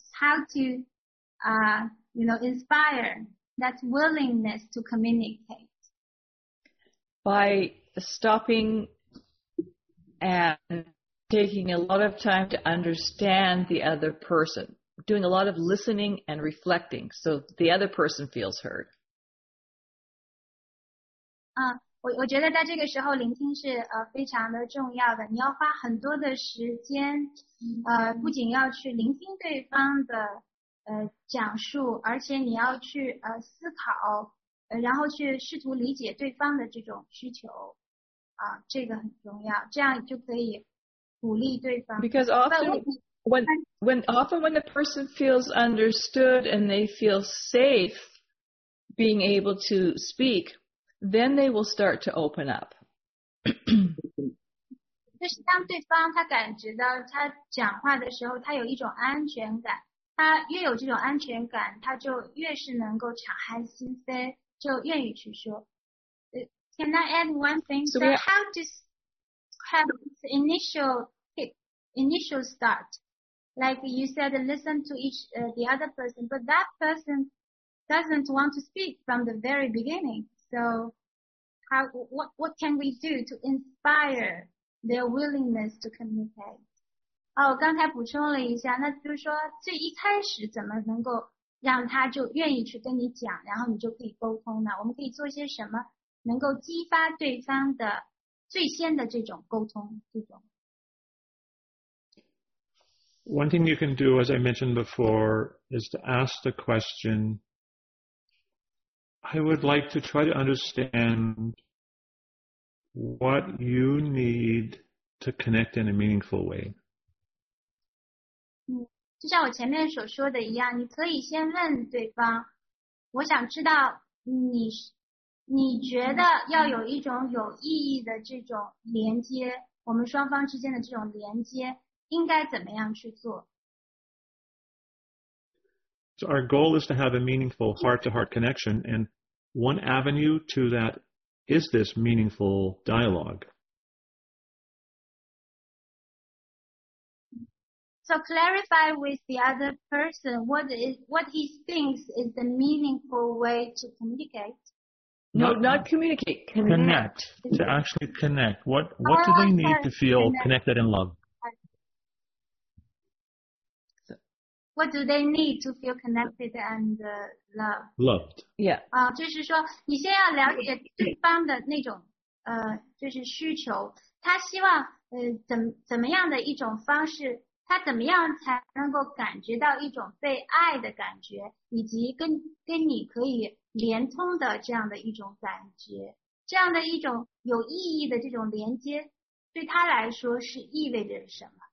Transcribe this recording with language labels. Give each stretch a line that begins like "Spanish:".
English: How to, inspire that willingness to communicate. By... stopping and taking a lot of time to understand the other person, doing a lot of listening and reflecting so the other person feels heard.
Chinese: 我觉得在这个时候聆听是非常的重要的，你要花很多的时间不仅要去聆听对方的讲述，而且你要去思考然后去试图理解对方的这种需求。这个很重要，这样就可以鼓励对方。
English: Because often when the person feels understood and they feel safe being able to speak, then they will start to open up.
Chinese: 就是当对方他感觉到他讲话的时候，他有一种安全感，他越有这种安全感，他就越是能够敞开心扉，就愿意去说。
English: Can I add one thing? So how to have this initial start? Like you said, listen to the other person, but that person doesn't want to speak from the very beginning. So what can we do to inspire their willingness to communicate?
Chinese: 哦，我刚才补充了一下，那就是说最一开始怎么能够让他就愿意去跟你讲，然后你就可以沟通呢？我们可以做些什么能够激发对方的最先的这种沟通这种？
English: One thing you can do, as I mentioned before, is to ask the question, I would like to try to understand what you need to connect in a meaningful way.
Chinese: 就像我前面所说的一样，你可以先问对方，我想知道你觉得要有一种有意义的这种连接，我们双方之间的这种连接应该怎么样去做。
English: So our goal is to have a meaningful heart-to-heart connection, and one avenue to that is this meaningful dialogue. So clarify with the other person what he thinks is the meaningful way to communicate. Not communicate, connect. To actually connect. What do they need to feel connected in love? What do they need to feel connected and loved? Yeah.
Chinese: 就是说你先要了解对方的那种就是需求，他希望怎么样的一种方式，他怎么样才能够感觉到一种被爱的感觉，以及跟你可以连通的这样的一种感觉，这样的一种有意义的这种连接对他来说是意味着什么？